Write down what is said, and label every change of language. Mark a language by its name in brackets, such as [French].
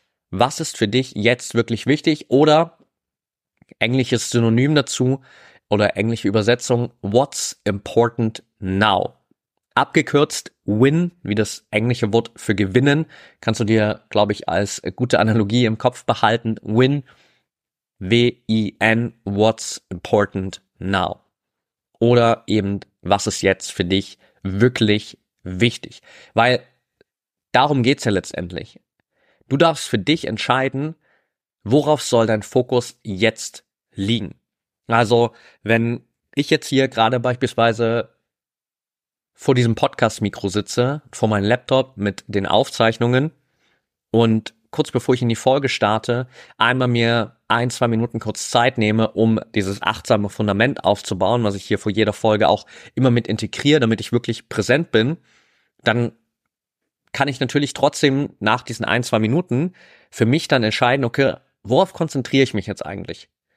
[German] Was ist für dich jetzt wirklich wichtig? Oder englisches Synonym dazu oder englische Übersetzung, [English] what's important now? [German] Abgekürzt win, wie das englische Wort für gewinnen, kannst du dir, glaube ich, als gute Analogie im Kopf behalten. [English] Win, W-I-N, what's important now? [German] Oder eben, was ist jetzt für dich wirklich wichtig? Weil darum geht's ja letztendlich. Du darfst für dich entscheiden, worauf soll dein Fokus jetzt liegen. Also, wenn ich jetzt hier gerade beispielsweise vor diesem Podcast-Mikro sitze, vor meinem Laptop mit den Aufzeichnungen und kurz bevor ich in die Folge starte, einmal mir 1-2 Minuten kurz Zeit nehme, um dieses achtsame Fundament aufzubauen, was ich hier vor jeder Folge auch immer mit integriere, damit ich wirklich präsent bin, dann kann ich natürlich trotzdem nach diesen 1-2 Minuten für mich dann entscheiden, okay, worauf konzentriere ich mich jetzt eigentlich?